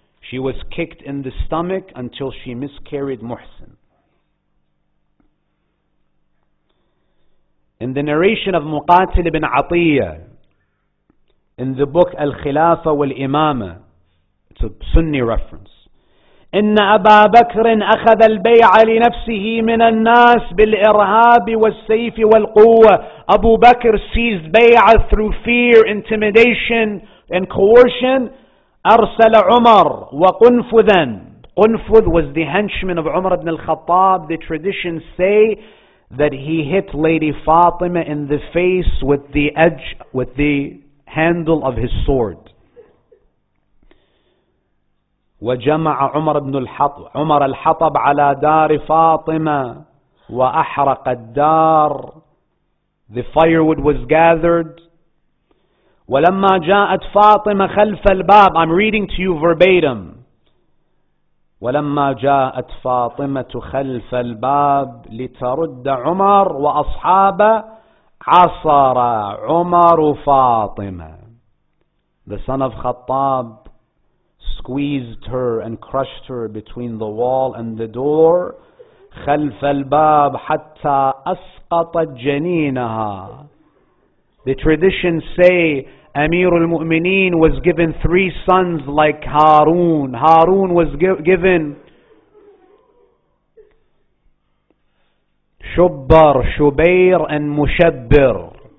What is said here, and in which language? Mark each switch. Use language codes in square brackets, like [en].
[en] She was kicked in the stomach until she miscarried Muhsin. In the narration of Muqatil ibn Atiyah, in the book Al-Khilafah wal-Imama, it's a Sunni reference. [ar] إن أبا بكر أخذ البيع لنفسه من الناس بالإرهاب والسيف والقوة. [en] أبو بكر seized بيع through fear, intimidation, and coercion. [ar] أرسل عمر وقنفذا. [en] قنفذ was the henchman of عمر بن الخطاب. The traditions say that he hit Lady Fatima in the face with the handle of his sword. [ar] وجمع عمر بن الحطب عمر الحطب على دار فاطمة وأحرق الدار. [en] The firewood was gathered. [ar] ولما جاءت فاطمة خلف الباب, [en] I'm reading to you verbatim. [ar] ولما جاءت فاطمة خلف الباب لترد عمر وأصحابه عصر عمر فاطمة. [en] The son of Khattab squeezed her and crushed her between the wall and the door. [ar] خلف الباب حتى أسقطت جنينها. [en] The traditions say Amir al-Mu'mineen was given three sons like Harun. Harun was given Shubbar, Shubair, and Mushabbir.